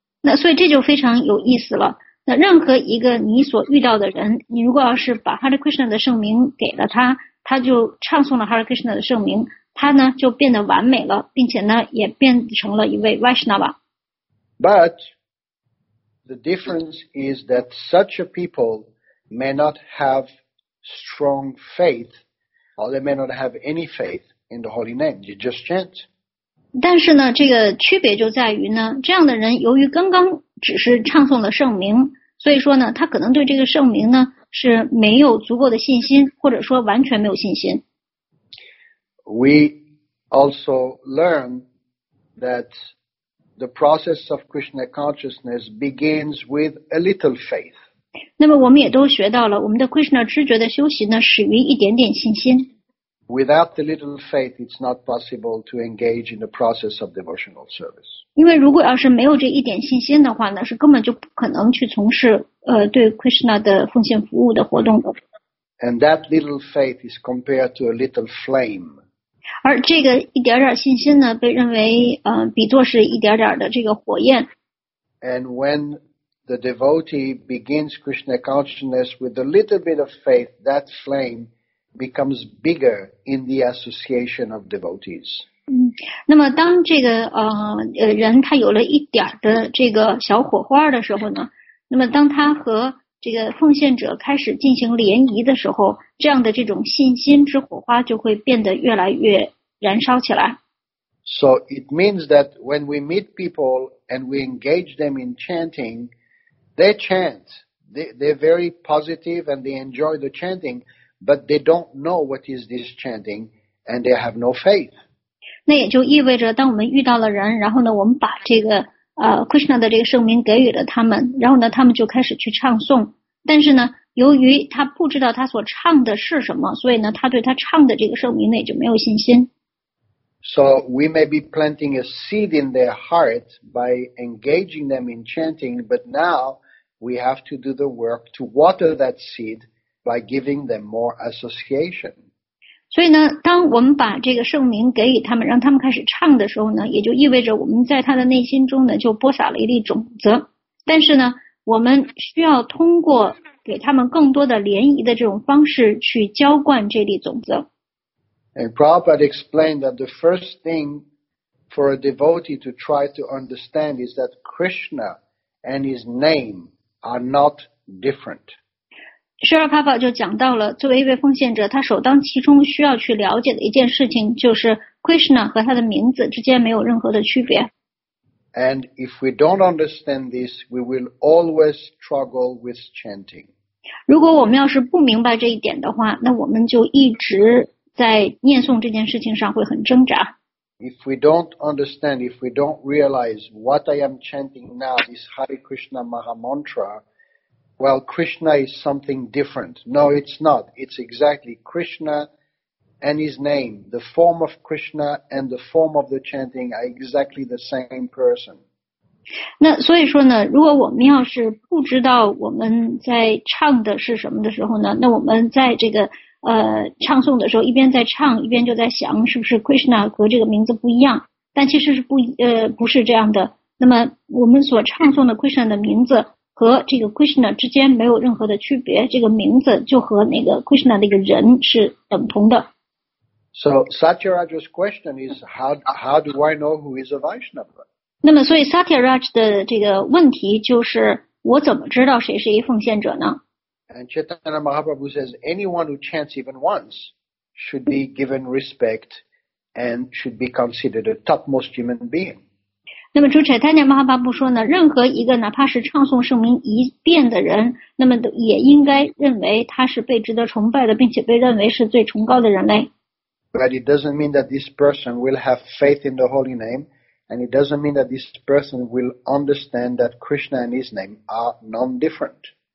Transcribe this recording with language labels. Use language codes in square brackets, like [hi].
[zh] 那所以这就非常有意思了。那任何一个你所遇到的人，你如果要是把 Hare Krishna 的圣名给了他，他就唱诵了 Hare Krishna 的圣名，他呢就变得完美了，并且呢也变成了一位 Vaishnava. [en] But the difference is that such a peoplemay not have strong faith, or they may not have any faith in the holy name. You just chant. [zh] 但是呢，这个区别就在于呢，这样的人由于刚刚只是唱诵了圣名，所以说呢，他可能对这个圣名呢是没有足够的信心，或者说完全没有信心。 [en] We also learn that the process of Krishna consciousness begins with a little faith. [zh] 那么我们也都学到了，我们的 Krishna 知觉的修习呢，始于一点点信心。 [en] Without the little faith, it's not possible to engage in the process of devotional service. [zh] 因为如果要是没有这一点信心的话呢，是根本就不可能去从事对 Krishna 的奉献服务的活动的。 [en] And that little faith is compared to a little flame. [zh] 而这个一点点信心呢，被认为比作是一点点的这个火焰。 [en] And when the devotee begins Krishna consciousness with a little bit of faith, that flame. Becomes bigger in the association of devotees. [zh] 那么当这个人他有了一点的这个小火花的时候呢，那么当他和这个奉献者开始进行联谊的时候，这样的这种信心之火花就会变得越来越燃烧起来。 [en] So it means that when we meet people and we engage them in chanting, they chant. They're very positive and they enjoy the chanting. But they don't know what is this chanting, and they have no faith. [zh] 那也就意味着，当我们遇到了人，然后呢，我们把这个Krishna 的这个圣名给予了他们，然后呢，他们就开始去唱诵。但是呢，由于他不知道他所唱的是什么，所以呢，他对他唱的这个圣名呢，也就没有信心。 [en] So we may be planting a seed in their heart by engaging them in chanting, but now we have to do the work to water that seed. By giving them more association. [zh] 所以呢，当我们把这个圣名给予他们，让他们开始唱的时候呢，也就意味着我们在他的内心中呢，就播撒了一粒种子。但是呢，我们需要通过给他们更多的联谊的这种方式去浇灌这粒种子。 [en] And Prabhupada explained that the first thing for a devotee to try to understand is that Krishna and his name are not different. [zh] 舍尔帕宝就讲到了，作为一位奉献者，他首当其冲需要去了解的一件事情，就是 Krishna 和他的名字之间没有任何的区别。 [en] And if we don't understand this, we will always struggle with chanting. [zh] 如果我们要是不明白这一点的话，那我们就一直在念诵这件事情上会很挣扎。 [en] If we don't understand, if we don't realize what I am chanting now, this Hare Krishna Maha Mantra,Well, Krishna is something different. No, it's not. It's exactly Krishna and his name. The form of Krishna and the form of the chanting are exactly the same person. [zh] 那所以说呢，如果我们要是不知道我们在唱的是什么的时候呢，那我们在这个唱诵的时候，一边在唱，一边就在想，是不是 Krishna 和这个名字不一样？但其实是不是这样的。那么我们所唱诵的 Krishna 的名字。和这个 Krishna 之间没有任何的区别，这个名字就和那个 Krishna 那个人是等同的。 [en] So Satyaraj's question is how do I know who is a Vaishnava? [zh] 那么所以 Satyaraj 的这个问题就是我怎么知道谁是一奉献者呢？ [en] And Chaitanya Mahaprabhu says anyone who chants even once should be given respect and should be considered a topmost human being. [zh] 那么朱柴丹尼马哈巴布说呢，任何一个哪怕是唱诵圣名一遍的人，那么也应该认为他是被值得崇拜的，并且被认为是最崇高的人类。 [en] But it doesn't mean that this person will have faith in the holy name, and it doesn't mean that this person will understand that Krishna and his name are non-different.